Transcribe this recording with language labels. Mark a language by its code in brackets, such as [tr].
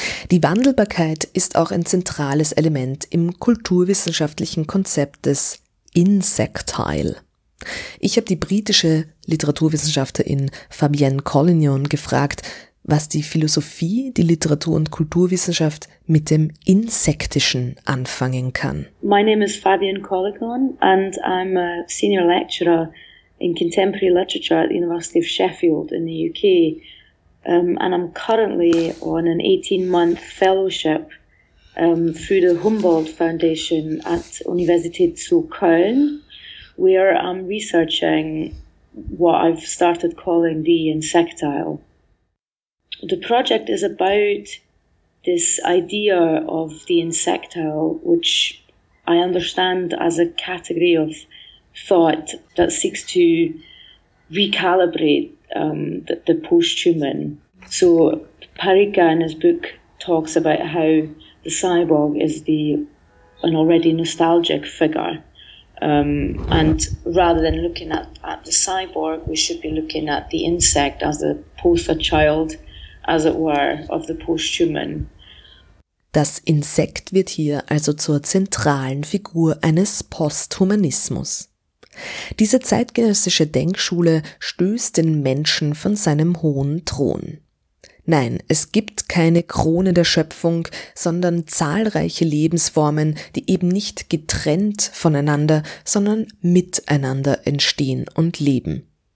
[de] Die Wandelbarkeit ist auch ein zentrales Element im kulturwissenschaftlichen Konzept des Insectile. Ich habe die britische Literaturwissenschaftlerin Fabienne Collignon gefragt, was die Philosophie, die Literatur- und Kulturwissenschaft mit dem Insektischen anfangen kann. [en] My name is Fabienne Collignon and I'm a senior lecturer in contemporary literature at the University of Sheffield in the UK. And I'm currently on an 18-month fellowship through the Humboldt Foundation at Universität zu Köln, where I'm researching what I've started calling the insectile. The project is about this idea of the insectile, which I understand as a category of thought that seeks to recalibrate the post-human. So Parikka in his book talks about how the cyborg is an already nostalgic figure. And rather than looking at the cyborg, we should be looking at the insect as a poster child, as it were, of the post-human. [de] Das Insekt wird hier also zur zentralen Figur eines Posthumanismus. Diese zeitgenössische Denkschule stößt den Menschen von seinem hohen Thron. Nein, es gibt keine Krone der Schöpfung, sondern zahlreiche Lebensformen, die eben nicht getrennt voneinander, sondern miteinander entstehen und leben.